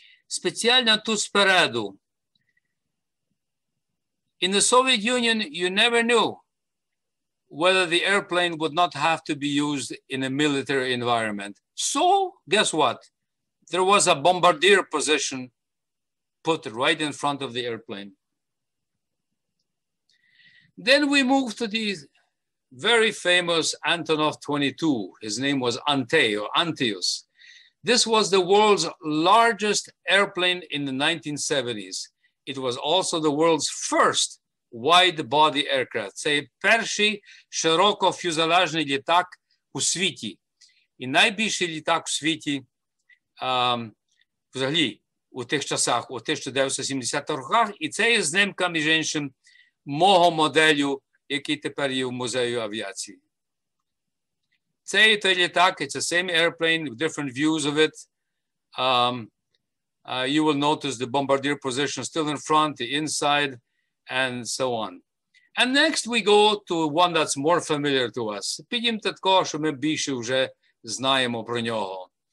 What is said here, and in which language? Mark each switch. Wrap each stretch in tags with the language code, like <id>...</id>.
<uk>Спеціально тут спереду.</uk> <en>In the Soviet Union, you never knew whether the airplane would not have to be used in a military environment. So, guess what? There was a bombardier position put right in front of the airplane. Then we moved to the very famous Antonov 22. His name was Antaios. This was the world's largest airplane in the 1970s. It was also the world's first wide body aircraft.</en> <uk>Це перший широкофюзелажний літак у світі. І найбільший літак у світі взагалі у тих часах, у 1970-х роках. І це є знімка, між іншим, мого моделю, який тепер є в музеї авіації. Це є той літак,</uk> <en>it's the same airplane, different views of it. You will notice the bombardier position still in front, the inside, and so on. And next we go to one that's more familiar to us.</en> <uk>Підімте такого, що ми більше вже знаємо про нього.</uk>